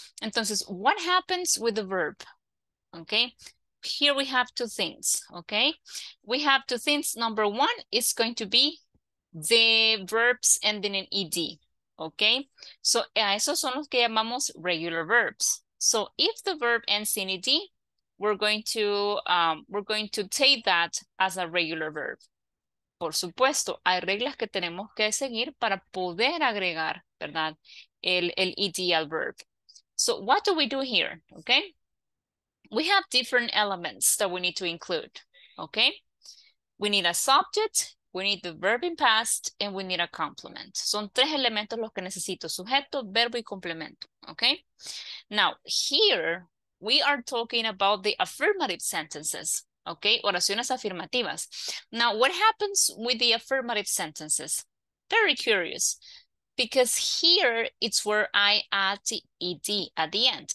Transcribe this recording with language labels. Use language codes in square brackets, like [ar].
[en] Entonces, what happens with the verb? Okay, here we have two things, okay? We have two things. Number one is going to be the verbs ending in ed, okay? [es] So, esos son los que llamamos regular verbs. [en] So, if the verb ends in ed, we're going to take that as a regular verb. [es] Por supuesto, hay reglas que tenemos que seguir para poder agregar, ¿verdad? El ed al verb. [en] So, what do we do here? Okay? We have different elements that we need to include. Okay? We need a subject, we need the verb in past, and we need a complement. [es] Son tres elementos los que necesito: sujeto, verbo y complemento. [en] Okay? Now, here, we are talking about the affirmative sentences, okay? [es] Oraciones afirmativas. [en] Now, what happens with the affirmative sentences? Very curious, because here it's where I add ed at the end.